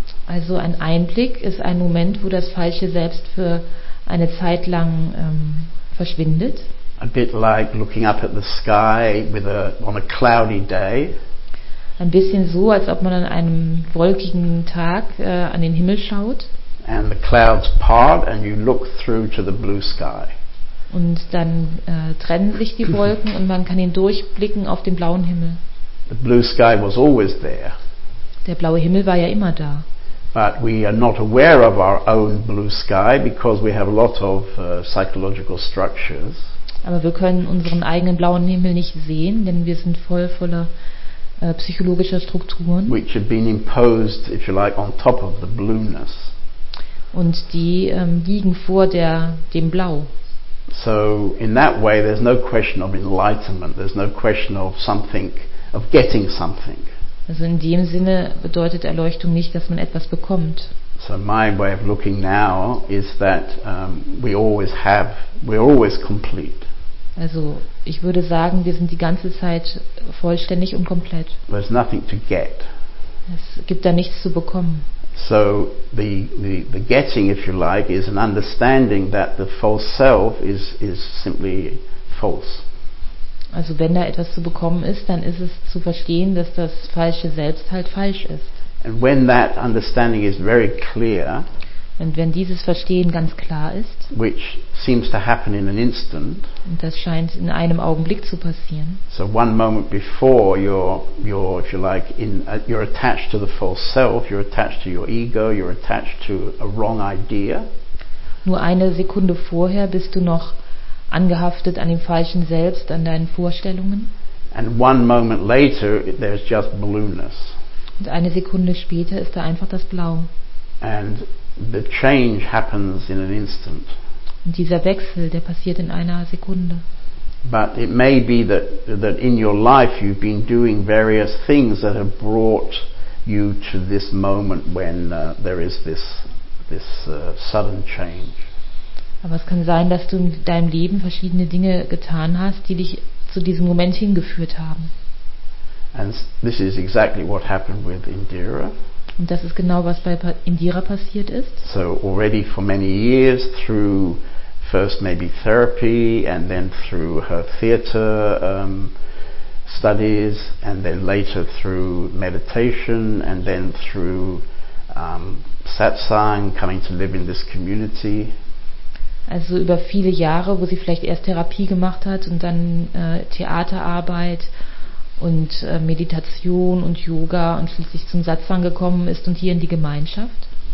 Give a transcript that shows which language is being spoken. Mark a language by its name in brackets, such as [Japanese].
[German] Also ein Einblick ist ein Moment, wo das falsche Selbst für eine Zeit lang verschwindet. [English] A bit like looking up at the sky on a cloudy day. [German] Ein bisschen so, als ob man an einem wolkigen Tag an den Himmel schaut. [English] And the clouds part and you look through to the blue sky. [German] Und dann trennen sich die Wolken und man kann ihn durchblicken auf den blauen Himmel. [English] The blue sky was always there. [German] Der blaue Himmel war ja immer da. [English] But we are not aware of our own blue sky because we have a lot of psychological structures. [German] Aber wir können unseren eigenen blauen Himmel nicht sehen, denn wir sind voller psychologischer Strukturen. [English] Which have been imposed, if you like, on top of the blueness. [German] Und die liegen vor dem Blau. [English] So in that way there's no question of enlightenment, there's no question of something, of getting something. [German] Also in dem Sinne bedeutet Erleuchtung nicht, dass man etwas bekommt. [English] So my way of looking now is that we're always complete. [German] Also ich würde sagen, wir sind die ganze Zeit vollständig und komplett. [English] There's nothing to get. [German] Es gibt da nichts zu bekommen. [English] So the getting, if you like, is an understanding that the false self is simply false. [German] Also wenn da etwas zu bekommen ist, dann ist es zu verstehen, dass das falsche Selbst halt falsch ist. [English] And when that understanding is very clear, [German] Und wenn dieses Verstehen ganz klar ist, [English] which seems to happen in an instant, [German] und das scheint in einem Augenblick zu passieren, [English] so one moment before you're if you like in you're attached to the false self, you're attached to your ego, you're attached to a wrong idea. [German] Nur eine Sekunde vorher bist du noch angehaftet an dem falschen Selbst, an deinen Vorstellungen. [English] And one moment later, there's just blueness. [German] Und eine Sekunde später ist da einfach das Blau. [English] And the change happens in an instant. [German] Und dieser Wechsel, der passiert in einer Sekunde. [English] But it may be that in your life you've been doing various things that have brought you to this moment when there is this sudden change. [German] Aber es kann sein, dass du in deinem Leben verschiedene Dinge getan hast, die dich zu diesem Moment hingeführt haben. [English] And this is exactly what happened with Indira. [German] Und das ist genau, was bei Indira passiert ist. [English] So already for many years through first maybe therapy and then through her theater studies and then later through meditation and then through Satsang, coming to live in this community. [German] Also über viele Jahre, wo sie vielleicht erst Therapie gemacht hat und dann Theaterarbeit und Meditation und Yoga und schließlich zum Satsang gekommen ist und hier in die Gemeinschaft.